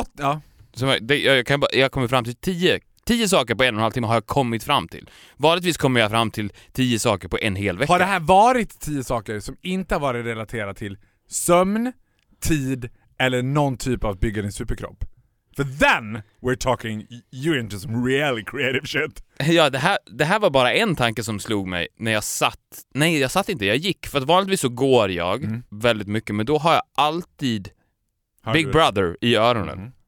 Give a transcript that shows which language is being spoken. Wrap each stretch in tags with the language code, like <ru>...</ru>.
<sv>Ja. Jag kommer fram till 10 saker på 1,5 timme har jag kommit fram till. Vanligtvis kommer jag fram till 10 saker på en hel vecka. Har det här varit 10 saker som inte har varit relaterat till sömn, tid eller någon typ av bygga din superkropp.</sv> <en>För then we're talking, you're into some really creative shit.</en> <sv>Ja, det här var bara en tanke som slog mig när jag satt. Nej, jag satt inte, jag gick. För att vanligtvis så går jag väldigt mycket, men då har jag alltid Big Brother i öronen. Mm.</sv>